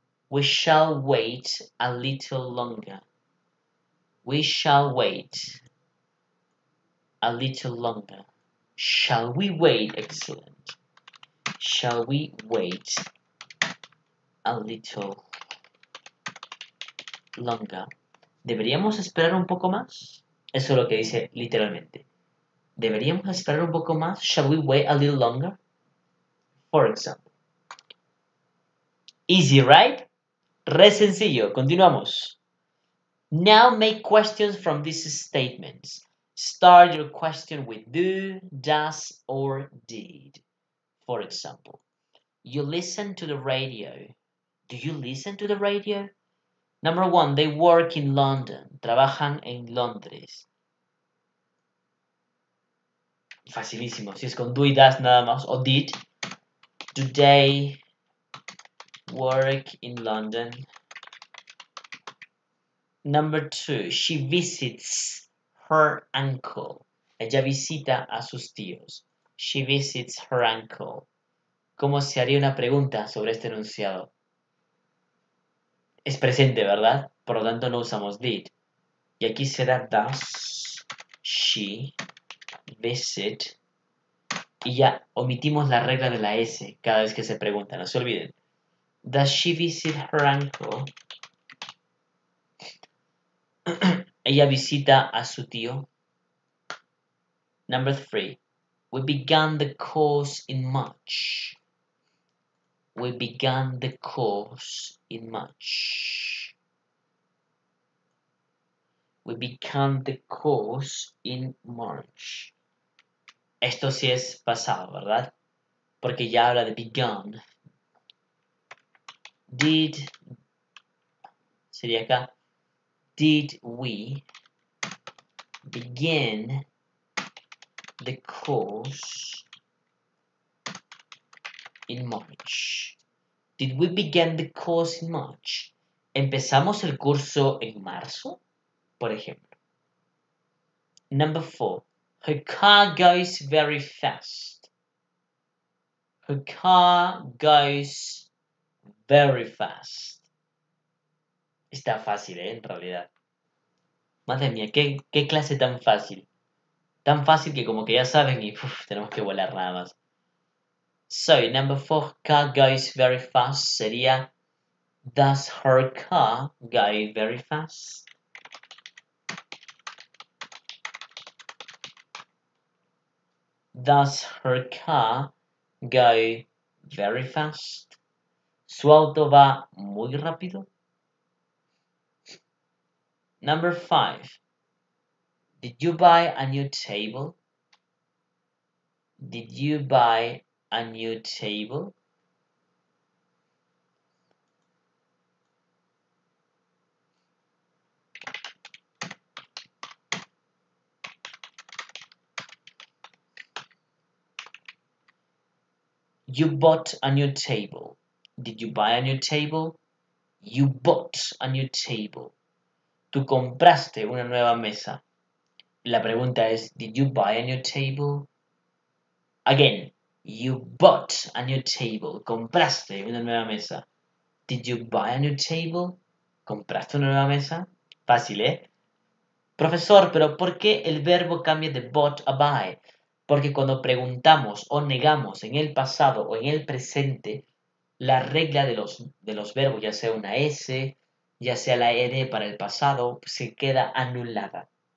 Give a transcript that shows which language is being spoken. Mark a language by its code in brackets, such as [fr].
[en] We shall wait a little longer. We shall wait a little longer. Shall we wait? Excellent. Shall we wait a little longer? [es] ¿Deberíamos esperar un poco más? Eso es lo que dice literalmente. ¿Deberíamos esperar un poco más? [en] Shall we wait a little longer? For example. Easy, right? [es] Re sencillo. Continuamos. [en] Now make questions from these statements. Start your question with do, does, or did. For example, you listen to the radio. Do you listen to the radio? Number one, they work in London. [es] Trabajan en Londres. Facilísimo. Si es con do y does nada más, o did. [en] Do they work in London? Number two, she visits her uncle. [es] Ella visita a sus tíos. [en] She visits her uncle. [es] ¿Cómo se haría una pregunta sobre este enunciado? Es presente, ¿verdad? Por lo tanto, no usamos did. Y aquí será [en] does she visit. [es] Y ya omitimos la regla de la S cada vez que se pregunta. No se olviden. [en] Does she visit her uncle? [es] Ella visita a su tío. [en] Number three. We began the course in March. We began the course in March. We began the course in March. [es] Esto sí es pasado, ¿verdad? Porque ya habla de begun. [en] Did. [es] Sería acá. [en] Did we Begin the course in March. Did we begin the course in March? [es] ¿Empezamos el curso en marzo? Por ejemplo. [en] Number four. Her car goes very fast. Her car goes very fast. [es] Está fácil, ¿eh? En realidad. Madre mía, ¿qué clase tan fácil? Tan fácil que como que ya saben y uf, tenemos que volar nada más. [en] So, number four, car goes very fast, sería Does her car go very fast? Does her car go very fast? [es] ¿Su auto va muy rápido? [en] Number five. Did you buy a new table? Did you buy a new table? You bought a new table. Did you buy a new table? You bought a new table. [es] Tú compraste una nueva mesa. La pregunta es, [en] did you buy a new table? Again, you bought a new table. [es] Compraste una nueva mesa. [en] Did you buy a new table? [es] ¿Compraste una nueva mesa? Fácil, ¿eh? Profesor, ¿pero por qué el verbo cambia de bought a buy? Porque cuando preguntamos o negamos en el pasado o en el presente, la regla de los verbos, ya sea una S, ya sea la ED para el pasado, se queda anulada.